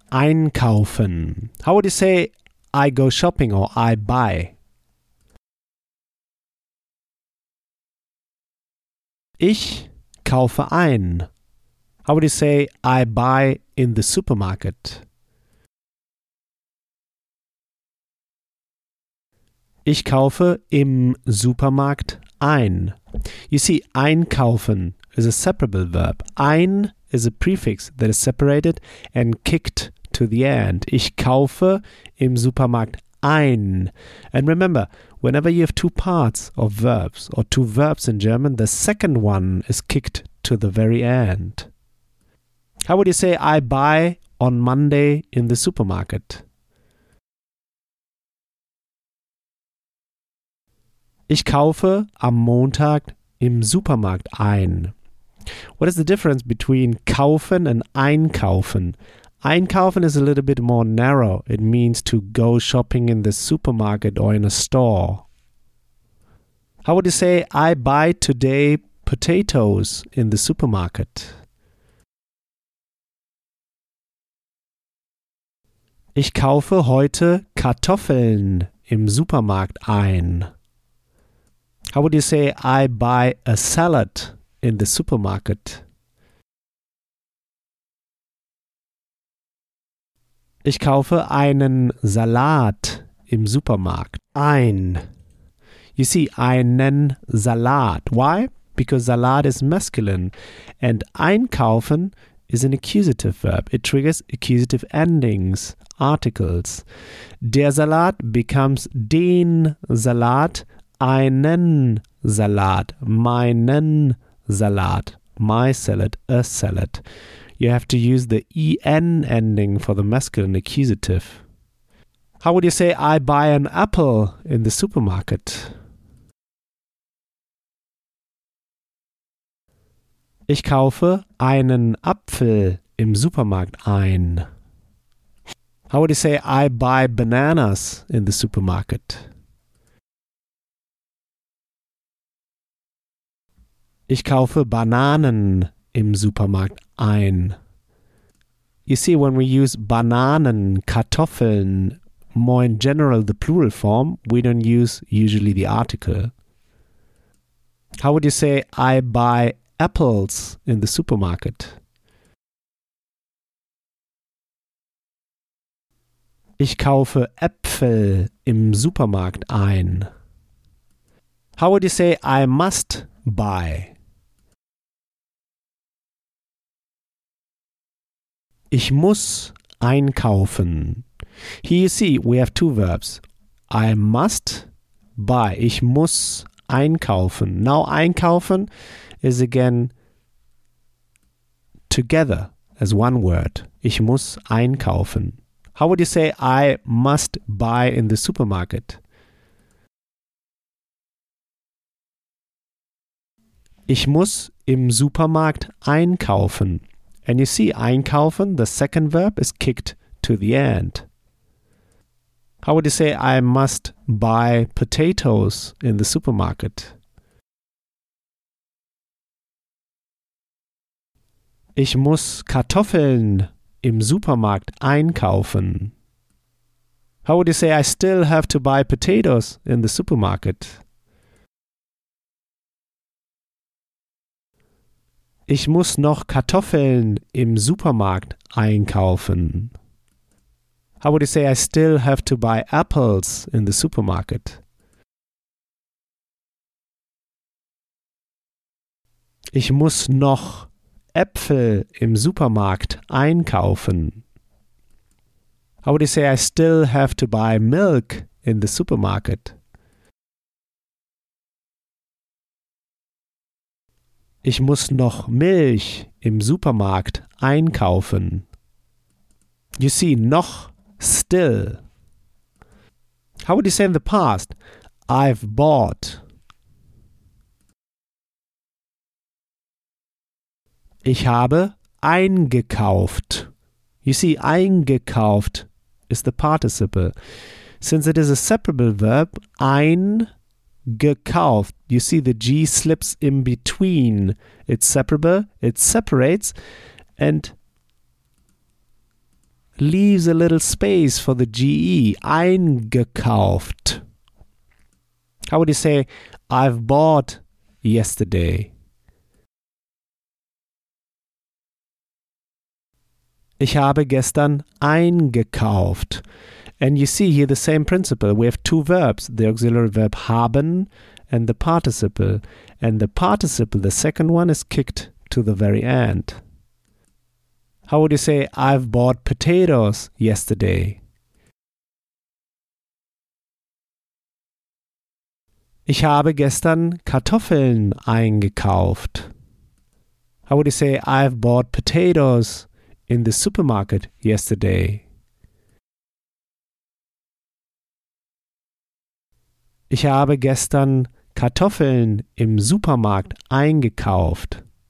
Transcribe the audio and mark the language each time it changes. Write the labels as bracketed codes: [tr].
[en] Einkaufen. How would you say I go shopping or I buy? [de] Ich kaufe ein. [en] How would you say I buy in the supermarket? [de] Ich kaufe im Supermarkt ein. [en] You see, einkaufen is a separable verb. Ein is a prefix that is separated and kicked to the end. [de] Ich kaufe im Supermarkt ein. [en] And remember, whenever you have two parts of verbs or two verbs in German, the second one is kicked to the very end. How would you say I buy on Monday in the supermarket? [de] Ich kaufe am Montag im Supermarkt ein. [en] What is the difference between kaufen and einkaufen? Einkaufen is a little bit more narrow. It means to go shopping in the supermarket or in a store. How would you say I buy today potatoes in the supermarket? [de] Ich kaufe heute Kartoffeln im Supermarkt ein. [en] How would you say I buy a salad in the supermarket? [de] Ich kaufe einen Salat im Supermarkt ein. [en] You see, einen Salat. Why? Because Salat is masculine and einkaufen is an accusative verb. It triggers accusative endings, articles. [de] Der Salat [en] becomes [de] den Salat, einen Salat, meinen Salat, [en] my salad, a salad. You have to use the en ending for the masculine accusative. How would you say I buy an apple in the supermarket? [de] Ich kaufe einen Apfel im Supermarkt ein. [en] How would you say I buy bananas in the supermarket? [de] Ich kaufe Bananen im Supermarkt ein. [en] You see, when we use Bananen, Kartoffeln, more in general, the plural form, we don't use usually the article. How would you say I buy apples in the supermarket? [de] Ich kaufe Äpfel im Supermarkt ein. [en] How would you say I must buy? [de] Ich muss einkaufen. [en] Here you see, we have two verbs. I must buy. [de] Ich muss einkaufen. [en] Now, einkaufen is again together as one word. [de] Ich muss einkaufen. [en] How would you say I must buy in the supermarket? [de] Ich muss im Supermarkt einkaufen. [en] And you see, einkaufen, the second verb, is kicked to the end. How would you say I must buy potatoes in the supermarket? [de] Ich muss Kartoffeln im Supermarkt einkaufen. [en] How would you say I still have to buy potatoes in the supermarket? [de] Ich muss noch Kartoffeln im Supermarkt einkaufen. [en] How would you say I still have to buy apples in the supermarket? [de] Ich muss noch Äpfel im Supermarkt einkaufen. [en] How would you say I still have to buy milk in the supermarket? [de] Ich muss noch Milch im Supermarkt einkaufen. [en] You see, noch, still. How would you say in the past, I've bought? [de] Ich habe eingekauft. [en] You see, eingekauft is the participle. Since it is a separable verb, eingekauft. You see the G slips in between. It's separable, it separates, and leaves a little space for the GE. Eingekauft. How would you say, I've bought yesterday? [de] Ich habe gestern eingekauft. [en] And you see here the same principle. We have two verbs, the auxiliary verb haben and the participle. And the participle, the second one, is kicked to the very end. How would you say, I've bought potatoes yesterday? [de] Ich habe gestern Kartoffeln eingekauft. [en] How would you say, I've bought potatoes in the supermarket yesterday? [de] Ich habe gestern Kartoffeln im Supermarkt eingekauft.